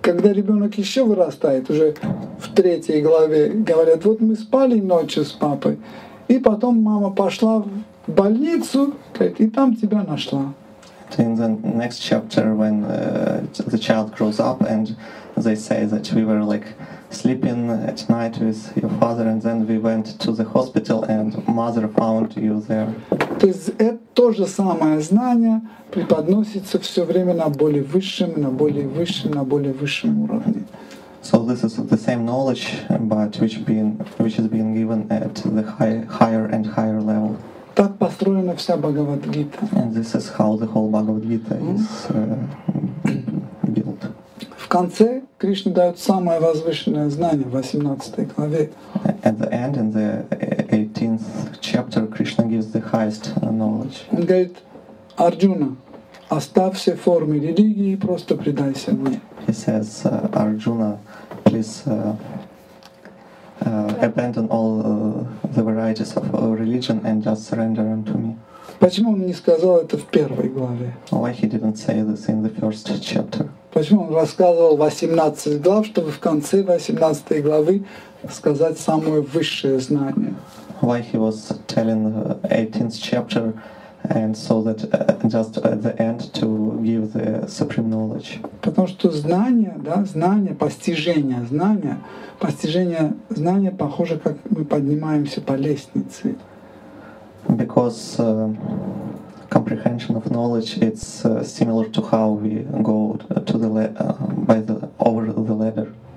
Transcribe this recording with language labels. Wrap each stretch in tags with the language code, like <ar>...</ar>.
<ru>Когда ребенок еще вырастает, уже в третьей главе говорят, вот мы спали ночью с папой, и потом мама пошла в больницу, говорит, и там тебя нашла.</ru> <en>In the next chapter, when the child grows up and they say that we were like sleeping at night with your father and then we went to the hospital and mother found you there.</en> <ru>То есть это то же самое знание преподносится все время на более высшем, на более высшем, на более высшем уровне.</ru> <en>So this is the same knowledge, but which is being given at the higher and higher level.</en> <ru>Так построена вся Бхагавад-гита.</ru> <en>And this is how the whole Bhagavad-gita is built.</en> <ru>В конце Кришна дает самое возвышенное знание в 18 главе.</ru> <en>At the end, in the 18th chapter, Krishna gives the highest knowledge.</en> <ru>Он говорит, Арджуна, оставь все формы религии и просто предайся мне.</ru> <en>He says, Arjuna, please abandon all the varieties of religion and just surrender unto me.</en> <ru>Почему он не сказал это в первой главе?</ru> <en>Why he didn't say this in the first chapter?</en> <ru>Почему он рассказывал 18 глав, чтобы в конце 18 главы сказать самое высшее знание?</ru> <en>why he was telling the 18th chapter, and so that just at the end to give the supreme knowledge.</en> <ru>Потому что знание, да, знание, постижение, знание, постижение, знание похоже, как мы поднимаемся по лестнице.</ru> <en>Because comprehension of knowledge, it's similar to how we go to the by the over the ladder.</en>